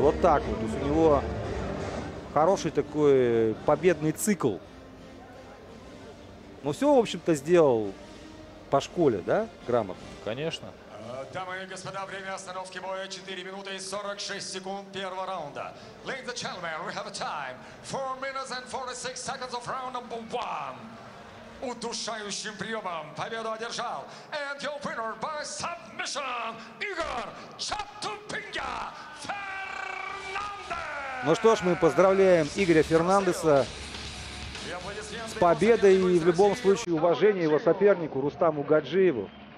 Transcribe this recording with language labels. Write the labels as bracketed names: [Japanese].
[Russian] Вот так вот. То есть у него хороший такой победный цикл. Ну все, в общем-то, сделал по школе, да, грамотно? Конечно. Дамы и господа, время остановки боя 4 минуты и 46 секунд первого раунда. [English] Ladies and gentlemen, we have a time. 4 minutes and 46 seconds of round number one. [Russian] Удушающим приемом победу одержал. [English] And your winner by submission, Игор Чатупинга Фернандес. [Russian] Ну что ж, мы поздравляем Игоря Фернандеса с победой и в любом случае уважение его сопернику Рустаму Гаджиеву.